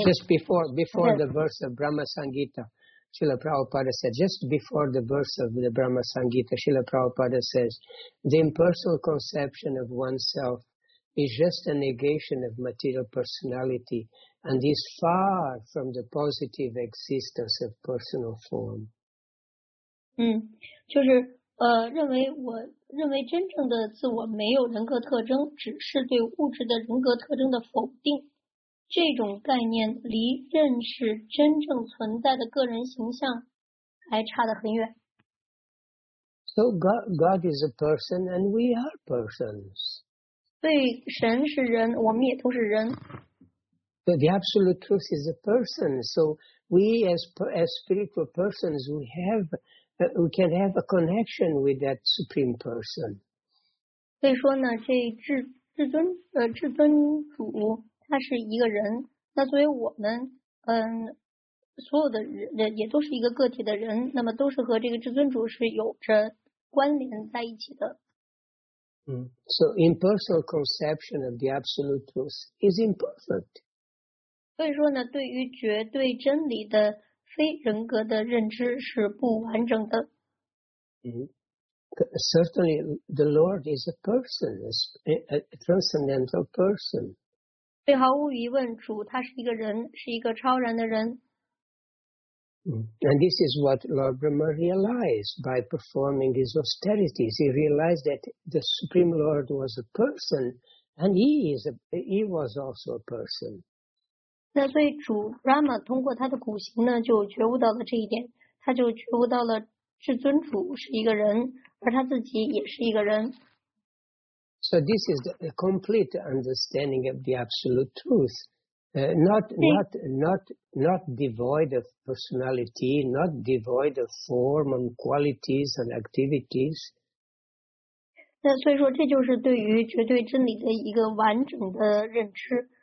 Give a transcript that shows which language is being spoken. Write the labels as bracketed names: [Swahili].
[English] Just before the verse of Brahma Sangita, Srila Prabhupada said, just before the verse of the Brahma Sangita, Srila Prabhupada says, the impersonal conception of oneself is just a negation of material personality and is far from the positive existence of personal form. [Chinese] 就是认为真正的自我没有人格特征，只是对物质的人格特征的否定。这种概念离认识真正存在的个人形象还差得很远。 [English] So God is a person and we are persons. [Chinese] 对，神是人，我们也都是人。 [English] But the absolute truth is a person. So we as spiritual persons, we can have a connection with that supreme person. [Chinese] 所以说呢，这至尊主他是一个人，那作为我们，所有的人也都是一个个体的人，那么都是和这个至尊主是有着关联在一起的。 [English] So impersonal conception of the absolute truth is imperfect. [Chinese] 所以说呢，对于绝对真理的非人格的认知是不完整的。 [English] Certainly, the Lord is a person, a transcendental person. [Chinese] 对，毫无疑问，主他是一个人，是一个超然的人。 [English] And this is what Lord Brahma realized by performing his austerities. He realized that the Supreme Lord was a person, and he was also a person. [Chinese] 那所以主 Brahma 通过他的苦行呢，就觉悟到了这一点。他就觉悟到了至尊主是一个人，而他自己也是一个人。 [English] So this is the complete understanding of the absolute truth. Not devoid of personality, not devoid of form and qualities and activities. [Chinese] 那所以说，这就是对于绝对真理的一个完整的认知。